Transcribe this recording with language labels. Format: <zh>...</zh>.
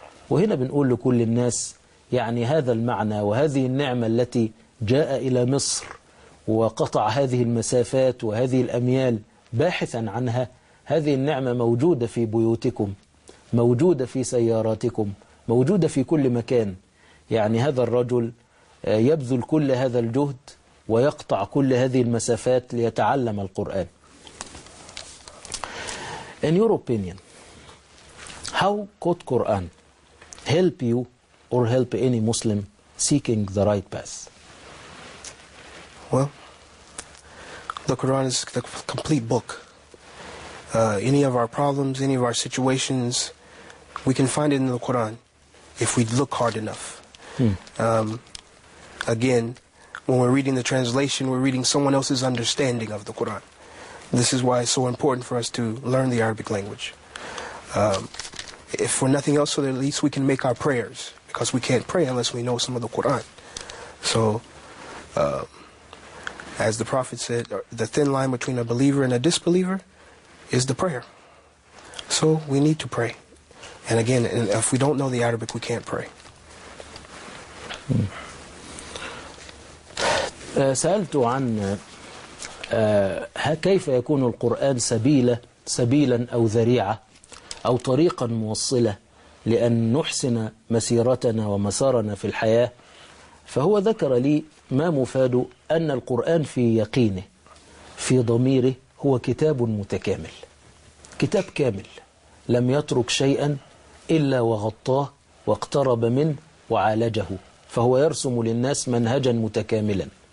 <ar>وهنا بنقول لكل الناس يعني هذا المعنى وهذه النعمة التي جاء إلى مصر وقطع هذه المسافات وهذه الأميال باحثا عنها، هذه النعمة موجودة في بيوتكم، موجودة في سياراتكم، موجودة في كل مكان. يعني هذا الرجل يبذل كل هذا الجهد ويقطع كل هذه المسافات ليتعلم القرآن.</ar> <en>In your opinion, how could Quran help you or help any Muslim seeking the right path? Well, the Quran is the complete book. Any of our problems, any of our situations, we can find it in the Quran if we look hard enough. Again, when we're reading the translation, we're reading someone else's understanding of the Quran. This is why it's so important for us to learn the Arabic language. If for nothing else, so that at least we can make our prayers, because we can't pray unless we know some of the Quran. So, as the Prophet said, the thin line between a believer and a disbeliever is the prayer. So we need to pray. And again, if we don't know the Arabic, we can't pray.</en> <ar>سألت عن كيف يكون القرآن سبيلا أو ذريعة أو طريقا موصلة لأن نحسن مسيرتنا ومسارنا في الحياة. فهو ذكر لي ما مفاد أن القرآن في يقينه في ضميره هو كتاب متكامل، كتاب كامل لم يترك شيئا إلا وغطاه واقترب منه وعالجه، فهو يرسم للناس منهجا متكاملا.</ar>